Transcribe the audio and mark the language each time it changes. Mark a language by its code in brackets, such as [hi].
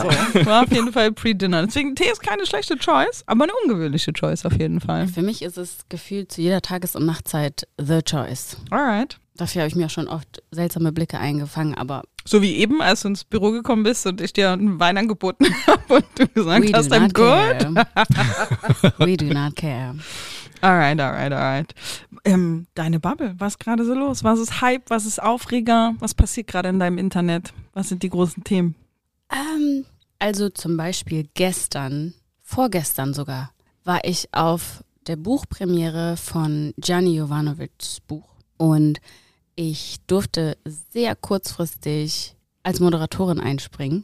[de] So, war auf jeden Fall pre-Dinner. Deswegen, Tee ist keine schlechte Choice, aber eine ungewöhnliche Choice auf jeden Fall. Für mich ist es gefühlt zu jeder Tages- und Nachtzeit [en] the choice. Alright. [de] Dafür habe ich mir auch schon oft seltsame Blicke eingefangen, aber... So wie eben, als du ins Büro gekommen bist und ich dir einen Wein angeboten habe und du gesagt [en] We [de] hast, [en] I'm good. We do not care. Alright, alright, alright. [de] Deine Bubble, was ist gerade so los? Was ist Hype? Was ist Aufreger? Was passiert gerade in deinem Internet? Was sind die großen Themen? Also zum Beispiel vorgestern sogar, war ich auf der Buchpremiere von Gianni Jovanovichs Buch. Und ich durfte sehr kurzfristig als Moderatorin einspringen.